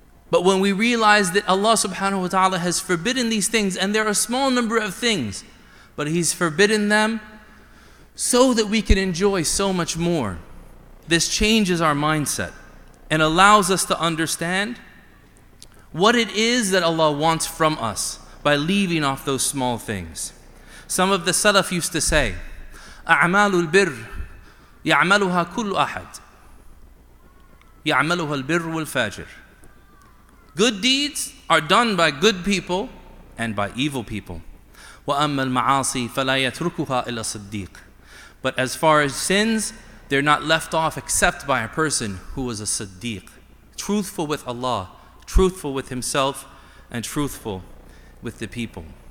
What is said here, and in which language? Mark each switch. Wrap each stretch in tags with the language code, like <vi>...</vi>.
<en>But when we realize that Allah subhanahu wa ta'ala has forbidden these things, and there are a small number of things, but He's forbidden them so that we can enjoy so much more, this changes our mindset and allows us to understand what it is that Allah wants from us by leaving off those small things. Some of the Salaf used to say,</en> <ar>أَعْمَالُ الْبِرِّ يَعْمَلُهَا كُلُّ أَحَدٍ يَعْمَلُهَا الْبِرُّ وَالْفَاجِرِ.</ar> <en>Good deeds are done by good people and by evil people.</en> <ar>وَأَمَّا الْمَعَاصِي فَلَا يَتْرُكُهَا إِلَّا صِدِّيقٍ.</ar> <en>But as far as sins, they're not left off except by a person who is a Siddiq, truthful with Allah, truthful with himself, and truthful with the people.</en>